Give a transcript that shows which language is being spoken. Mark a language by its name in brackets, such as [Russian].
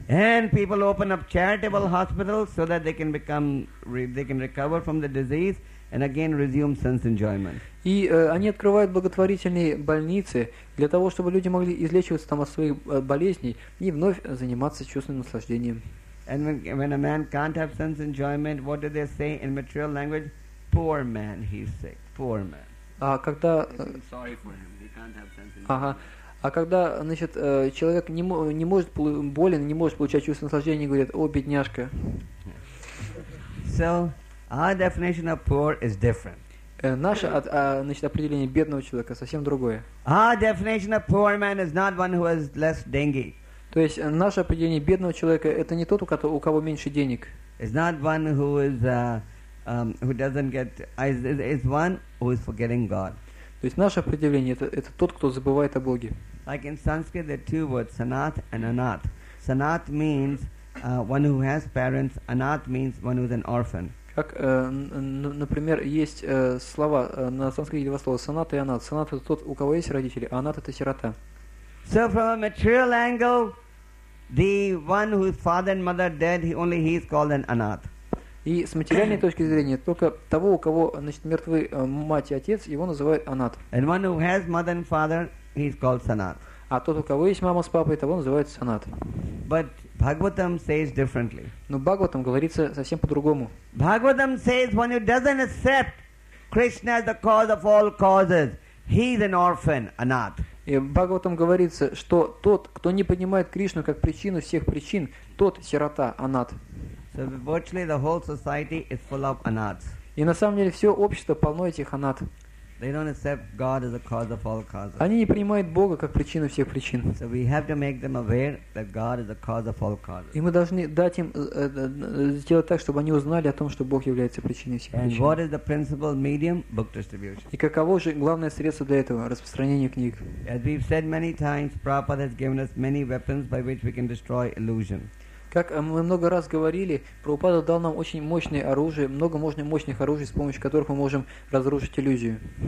[English] And people open up charitable hospitals so that they can recover from the disease and again resume sense enjoyment. [Russian] И они открывают благотворительные больницы для того, чтобы люди могли излечиваться там от своих болезней и вновь заниматься чувственным наслаждением. [English] And when a man can't have sense enjoyment, what do they say in material language? Poor man, he's sick. Poor man. Sorry for him. He can't have sense enjoyment. [Russian] А когда, значит, человек не может болен, не может получать чувство наслаждения, говорит, о, бедняжка. [English] So, our definition of poor is different. [Russian] Наше определение бедного человека совсем другое. [English] Our definition of poor man is not one who has less dengue. [Russian] То есть наше определение бедного человека это не тот, у кого меньше денег. [English] It's not one who is who doesn't get is one who is forgetting God. [Russian] То есть наше определение это тот, кто забывает о Боге. [English] Like in Sanskrit there are two words, sanat and anat. Sanat means one who has parents, anat means one who is an orphan. [Russian] Как, например, есть слова на санскрите два слова санат и анат. Санат это тот, у кого есть родители, а анат это сирота. [English] So from a material angle, the one whose father and mother are dead, only he is called an anath. [Russian] И с материальной точки зрения, только того, у кого, значит, мертвы мать и отец, его называют анат. [English] And one who has mother and father, he is called sanat. [Russian] А тот, у кого есть мама с папой, того называют санат. [English] But Bhagavatam says differently. [Russian] Но Бхагаватам говорится совсем по-другому. [English] Bhagavatam says one who doesn't accept Krishna as the cause of all causes, he is an orphan, anath. [Russian] И в Бхагаватам говорится, что тот, кто не понимает Кришну как причину всех причин, тот сирота, анат. [English] So virtually the whole society is full of anaths. [Russian] И на самом деле все общество полно этих анат. [English] They don't accept God as the cause of all causes. [Russian] Они не принимают Бога как причину всех причин. [English] So we have to make them aware that God is the cause of all causes. [Russian] И мы должны дать им сделать так, чтобы они узнали о том, что Бог является причиной всех причин. [English] And what is the principal medium? Book distribution. [Russian] И каково же главное средство для этого? Распространение книг. [English] As we've said many times, Prabhupada has given us many weapons by which we can destroy illusion. [Russian] Как мы много раз говорили, Прабхупада дал нам очень мощное оружие, много мощных оружий, с помощью которых мы можем разрушить иллюзию.